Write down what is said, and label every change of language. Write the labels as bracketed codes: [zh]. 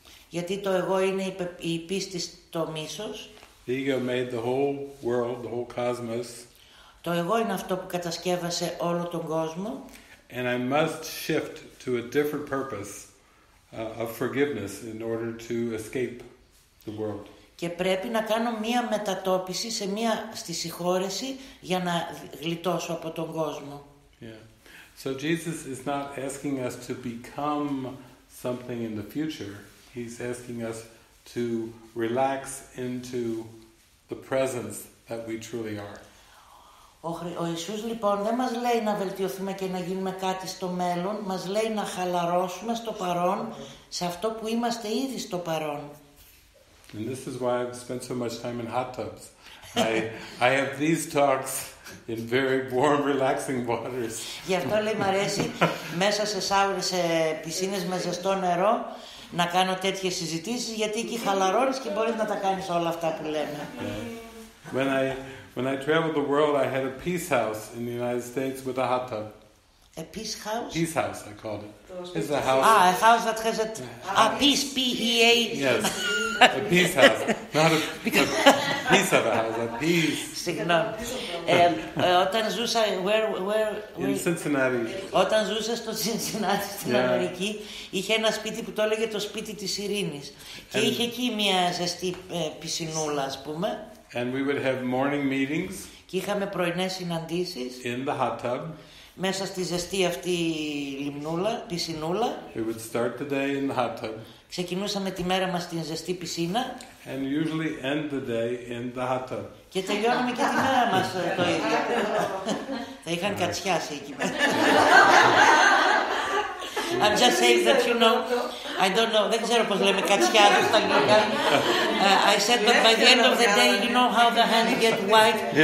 [el] Γιατί το εγώ είναι η πίστη στο μίσος. [en] The ego made the whole world, the whole cosmos. [el] Το εγώ είναι αυτό που κατασκεύασε όλο τον κόσμο. [en] And I must shift to a different purpose of forgiveness in order to escape the world. [el] Και πρέπει να κάνω μία μετατόπιση σε μία στη συγχώρεση για να γλιτώσω από τον κόσμο. [en] Yeah. So Jesus is not asking us to become something in the future. He's asking us to relax into the presence that we truly are. [el] Ο Ιησούς λοιπόν δεν μας λέει να βελτιωθούμε και να γίνουμε κάτι στο μέλλον. Μας λέει να χαλαρώσουμε στο παρόν, σε αυτό που είμαστε ήδη στο παρόν. [en] And this is why I've spent so much time in hot tubs. I have these talks in very warm, relaxing waters. [el] Γι' αυτό λέει μ' αρέσει μέσα σε σάουνες, σε πισίνες με ζεστό νερό, να κάνω τέτοιες συζητήσεις, γιατί εκεί χαλαρώνεις και μπορείς να τα κάνεις όλα αυτά που λέμε. [en] When I traveled the world, I had a peace house in the United States with a hot tub. A peace house? Peace house, I called it. It's a house. Ah, a house that has a peace, P-E-A. Yes, a peace house. Not a piece of a house, a peace. [el] Συγγνώμη. Όταν ζούσα, [en] where? In Cincinnati. [el] Όταν ζούσα στο Cincinnati, στην Αμερική, είχε ένα σπίτι που το έλεγε το σπίτι της ειρήνης. Και είχε εκεί μια ζεστή πισινούλα, ας πούμε. [en] And we would have morning meetings. [el] Και είχαμε πρωινές συναντήσεις. [en] In the hot tub. [el] Μέσα στη ζεστή αυτή λιμνούλα, πισινούλα. [en] We would start the day in the hot tub. [el] Ξεκινούσαμε τη μέρα μας στην ζεστή πισίνα. [en] And usually end the day in the hot tub. [el] Και τελειώνουμε και τη μέρα μας το ίδιο. Θα είχαν κατσιάσει εκεί πέρα. [en] I'm just saying that you know. I don't know. [el] Δεν ξέρω πώς λέμε κατσιάδες στα αγγλικά. [en] I said, but by the end of the day, you know how the hands get white.